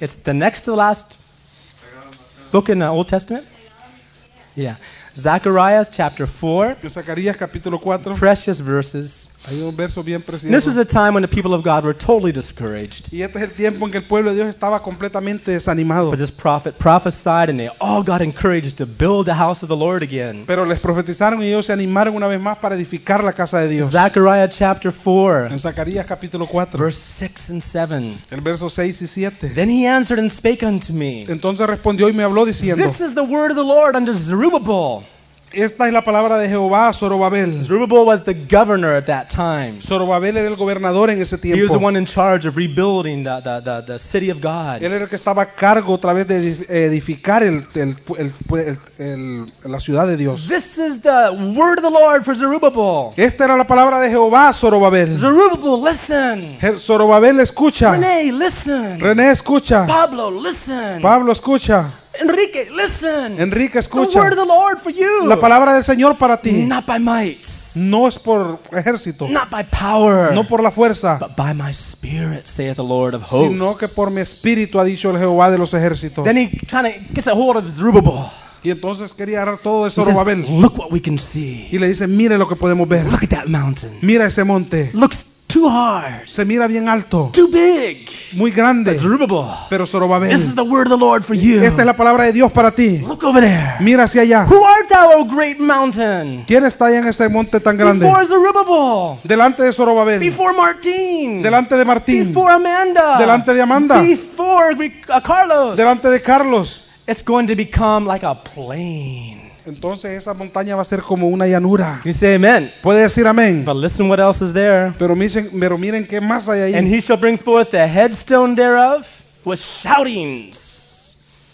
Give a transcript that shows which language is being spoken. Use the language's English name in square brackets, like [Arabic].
[English] It's the next to the last book in the Old Testament? Yeah. Zechariah chapter 4. [Spanish] Zacarías capítulo 4. [English] Precious verses. [Spanish] Hay un verso bien precioso. [English] This was a time when the people of God were totally discouraged. [Spanish] Y este es el tiempo en que el pueblo de Dios estaba completamente desanimado. [English] But this prophet prophesied and they all got encouraged to build the house of the Lord again. [Spanish] Pero les profetizaron y ellos se animaron una vez más para edificar la casa de Dios. [English] Zechariah chapter 4. [Spanish] En Zacarías capítulo 4. [English] Verse 6 and 7. [Spanish] El verso 6 y 7. [English] Then he answered and spake unto me. [Spanish] Entonces respondió y me habló diciendo. [English] This is the word of the Lord unto Zerubbabel. [Spanish] Esta es la palabra de Jehová a Zorobabel. [English] Zerubbabel was the governor at that time. [Spanish] Zorobabel era el gobernador en ese tiempo. [English] He was the one in charge of rebuilding the city of God. [Spanish] Él era el que estaba a cargo otra vez de edificar la ciudad de Dios. [English] This is the word of the Lord for Zerubbabel. [Spanish] Esta era la palabra de Jehová a Zorobabel. [English] Zerubbabel, listen. [Spanish] Zorobabel, escucha. [English] René, listen. [Spanish] René, escucha. [English] Pablo, listen. [Spanish] Pablo, escucha. [English] Enrique, listen. [Spanish] Enrique, escucha. [English] The word of the Lord for you. [Spanish] La palabra del Señor para ti. [English] Not by might. [Spanish] No es por ejército. [English] Not by power. [Spanish] No por la fuerza. [English] But by my spirit, saith the Lord of hosts. [Spanish] Sino que por mi espíritu ha dicho el Jehová de los ejércitos. [English] Then he kind of gets a hold of Zerubbabel. [Spanish] Y entonces quería agarrar todo eso a Zerubbabel. [English] Look what we can see. [Spanish] Y le dice, mire lo que podemos ver. [English] Look at that mountain. [Spanish] Mira ese monte. [English] Looks Too hard. [Spanish] Se mira bien alto. [English] Too big. [Spanish] Muy grande. [English] That's Zerubbabel. [Spanish] Pero Zorobabel. [English] This is the word of the Lord for you. [Spanish] Esta es la palabra de Dios para ti. [English] Look over there. [Spanish] Mira hacia allá. [English] Who art thou, O great mountain? [Spanish] ¿Quién está ahí en este monte tan grande? [English] Before Zerubbabel. [Spanish] Delante de Zorobabel. [English] Before Martín. [Spanish] Delante de Martín. [English] Before Amanda. [Spanish] Delante de Amanda. [English] Before Carlos. [Spanish] Delante de Carlos. [English] It's going to become like a plain. [Spanish] Entonces esa montaña va a ser como una llanura. [English] You say amen. [Spanish] Puede decir amén. [English] But listen what else is there. [Spanish] Pero miren qué más hay ahí. [English] And he shall bring forth the headstone thereof with shoutings.